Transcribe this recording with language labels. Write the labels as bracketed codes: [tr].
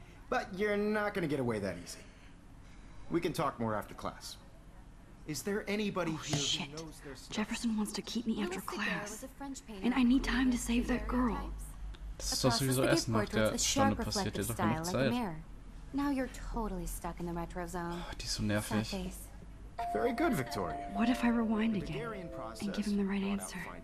[en] But you're not gonna get away that easy. We can talk more after class. Is there anybody oh, here shit. Who knows their stuff? Jefferson wants to keep me when after class. And I need time to save that girl. [de] Das ist doch sowieso erst nach der Stunde passiert, der ist doch keine Zeit. [en] Now you're totally stuck in the retro zone. [de] Oh, die ist so nervig. [en] Very good, Victoria. What if I rewind again and give him the right answer?